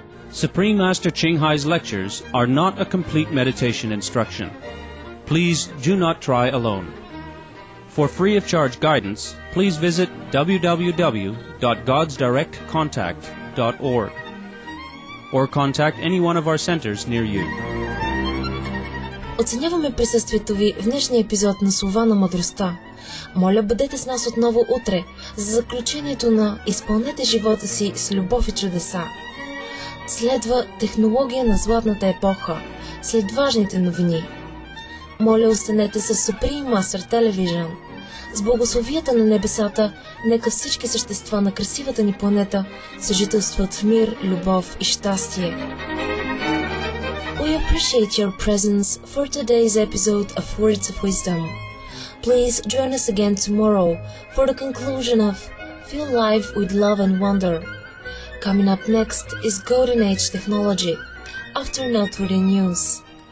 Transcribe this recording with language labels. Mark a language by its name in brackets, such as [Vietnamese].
[English] Supreme Master Ching Hai's lectures are not a complete meditation instruction. Please do not try alone. For free of charge guidance, please visit www.godsdirectcontact.org or contact any one of our centers near you. [Bulgarian] Оценяваме присъствието ви в днешния епизод на Слова на мъдростта. Моля, бъдете с нас отново утре за заключението на Изпълнете живота си с любов и чудеса. Следва технология на златната епоха, след важните новини. Моля, останете с Supreme Master Television. С благословията на небесата, нека всички същества на красивата ни планета съжителстват в мир, любов и щастие. [English] We appreciate your presence for today's episode of Words of Wisdom. Please join us again tomorrow for the conclusion of Fill Life with Love and Wonder. Coming up next is Golden Age Technology, after noteworthy news.